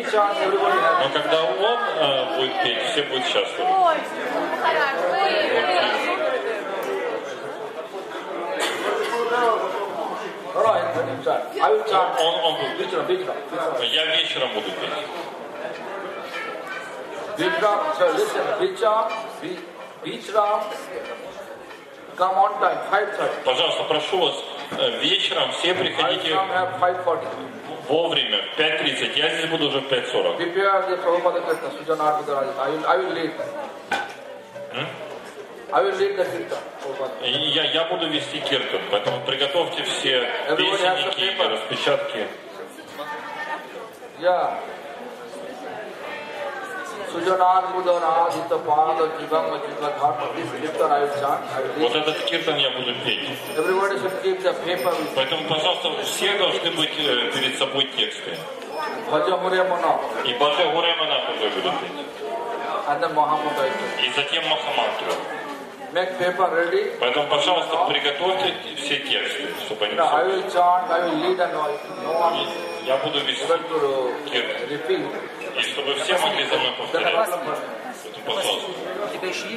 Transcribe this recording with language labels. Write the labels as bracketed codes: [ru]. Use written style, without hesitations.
[ru] Но когда он будет петь, все будут счастливы. Я вечером буду петь. [en] Vikram, so listen, Vikram, Vikram, come on time, 5:30. [ru] Пожалуйста, прошу вас, вечером все приходите вовремя, 5:30, я здесь буду уже в 5:40. [en] Prepare the Prabhupada Kirtan, Sujanarvi Dharajita, I will lead that. I will lead the Kirtan. [ru] Я буду вести Kirtan, поэтому приготовьте все песенники и распечатки. [en] Yeah. Sujanan Mudanadita Pada Jivama Jitla Dharma. This Kirtan I will chant. [ru] Вот этот Kirtan я буду петь. [en] Everybody should keep the paper. [ru] Поэтому, пожалуйста, все должны быть перед собой тексты. Bhaja Huremana. И Bhaja Huremana тоже буду петь. [en] And then Mahamantra. [ru] И затем Mahamantra. [en] Make paper ready. [ru] Поэтому, пожалуйста, приготовьте все тексты, чтобы они [en] I will chant, I will lead and no one. [ru] Я буду вести Kirtan. И чтобы все могли за мной повторять. Это пожалуйста.